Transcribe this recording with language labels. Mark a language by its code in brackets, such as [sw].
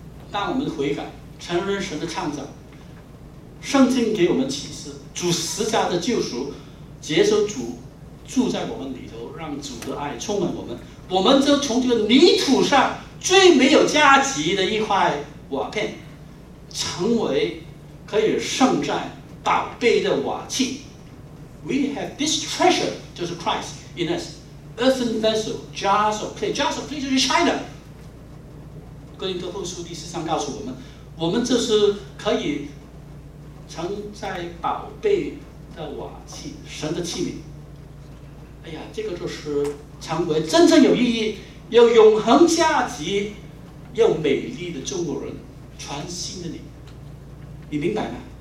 [zh] 当我们悔改承认神的创造，圣经给我们启示，主十字架的救赎，接受主住在我们里头，让主的爱充满我们，我们就从这个泥土上最没有价值的一块瓦片，成为可以盛载宝贝的瓦器。 [en] We have this treasure, 就是 Christ in us, earthen vessel, jars of clay, jars of clay 就是 China。 [zh] 哥林多后书第四章告诉我们，我们就是可以承载宝贝的瓦器，神的器皿。哎呀，这个就是成为真正有意义、有永恒价值、又美丽的中国人，全新的你。你明白吗？